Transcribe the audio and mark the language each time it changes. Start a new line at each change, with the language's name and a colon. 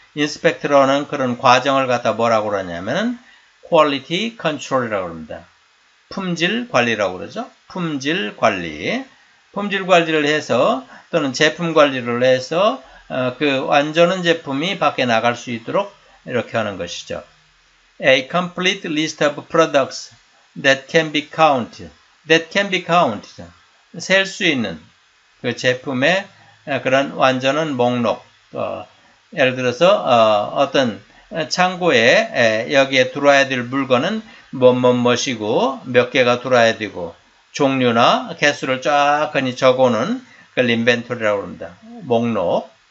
Korean: 인스펙트를 하는 그런 과정을 갖다 뭐라고 그러냐면은 퀄리티 컨트롤이라고 합니다. 품질 관리라고 그러죠? 품질 관리. 품질 관리를 해서 또는 제품 관리를 해서 그 완전한 제품이 밖에 나갈 수 있도록 이렇게 하는 것이죠.
English: A complete list of products that can be counted. That can be counted.
Korean: 셀 수 있는 그 제품의 그런 완전한 목록. 예를 들어서 어떤 창고에 여기에 들어와야 될 물건은 뭐뭐뭐시고 몇 개가 들어와야 되고 종류나 개수를 쫙 흔히 적어놓은 그 인벤토리라고 합니다. 목록.